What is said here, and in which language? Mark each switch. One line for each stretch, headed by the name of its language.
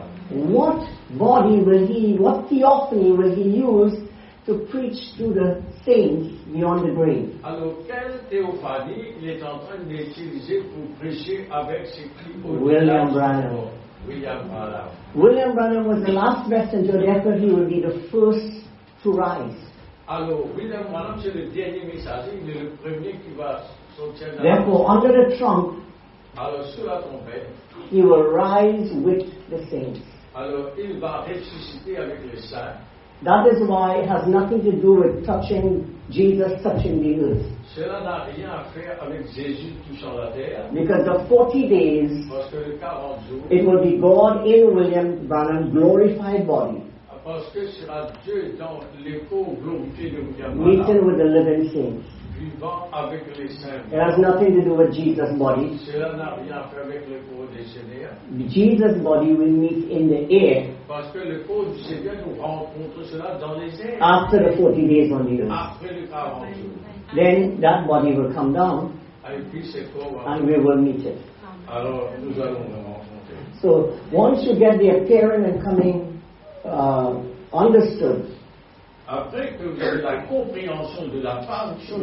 English: What body will he, what theophany will he use to preach to the saints beyond the grave?
French: Alors, quelle théophanie il est en train d'utiliser pour prêcher avec ses clients?
English: William Branham was the last messenger, therefore he will be the first to rise.
French: Alors, William Branham, c'est le dernier messager, il est le premier qui va sortir.
English: Therefore, under the trunk,
French: alors, sous la trompette,
English: he will rise with the saints.
French: Alors, il va ressusciter avec les saints.
English: That is why it has nothing to do with touching Jesus touching the earth.
French: Cela n'a rien à faire avec Jésus touchant la terre.
English: Because the 40 days,
French: parce que les 40 jours,
English: it will be God in William Branham's glorified body.
French: Parce que sera Dieu dans les corps glorifiés de William Branham.
English: Meeting with the living saints.
French: vivant avec les saints.
English: It has nothing to do with Jesus' body.
French: Cela n'a rien à faire avec le corps du Seigneur.
English: Jesus' body will meet in the air.
French: Parce que le corps du Seigneur nous rencontre cela dans les airs.
English: After the 40 days on the earth.
French: Après les 40 jours.
English: Then that body will come down.
French: Et puis ce corps va.
English: And we will meet it.
French: Alors nous allons le rencontrer.
English: So once you get the appearing and coming understood.
French: Après que vous avez la compréhension de la fonction.